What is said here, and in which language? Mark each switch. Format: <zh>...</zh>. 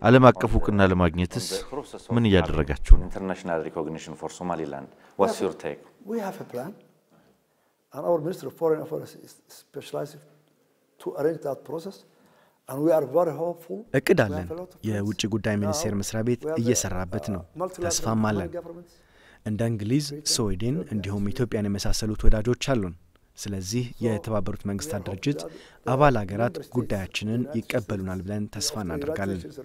<am>ዓለም አቀፍ ውቅና ለማግኘትስ ምን ያደረጋችሁ?</am> <en>International recognition for Somaliland. What's your take? We have a plan. And our Minister of Foreign Affairs is specialized to arrange that process. And we are very hopeful.</en> <am>እቅዳለን የውጭ ጉዳይ ሚኒስቴር መስሪያ ቤት እየሰራበት ነው። ተስፋም አለን። እንደ እንግሊዝ፣ ስዊድን እንዲሁም ኢትዮጵያን የመሳሰሉት ወዳጆች አሉን። ስለዚህ የተባበሩት መንግስታት ድርጅት አባል ሀገራት ጉዳያችንን ይቀበሉናል ብለን ተስፋ እናደርጋለን።</am>